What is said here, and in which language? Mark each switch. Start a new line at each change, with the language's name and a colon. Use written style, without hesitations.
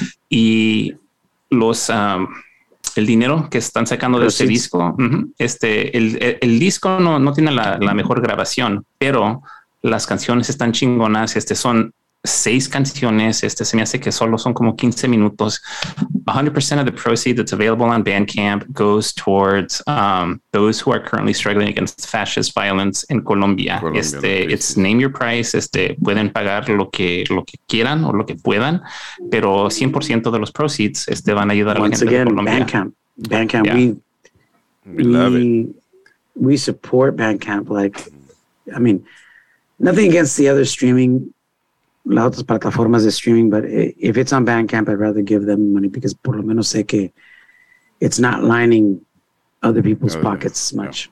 Spanish: Y los el dinero que están sacando de este disco, el disco no tiene la mejor grabación, pero las canciones están chingonas. Son 6 canciones. Se me hace que solo son como 15 minutos.
English: 100% of the proceeds that's available on Bandcamp goes towards those who are currently struggling against fascist violence in Colombia. It's name your price.
Spanish: Pueden pagar lo que quieran o lo que puedan, pero 100% de los proceeds van a ayudar a la gente de Colombia.
English: Bandcamp. Yeah. We love it. We support Bandcamp. Nothing against the other streaming.
Spanish: Las otras plataformas de streaming,
English: but if it's on Bandcamp, I'd rather give them money because
Spanish: por lo menos sé que
English: it's not lining other people's pockets much.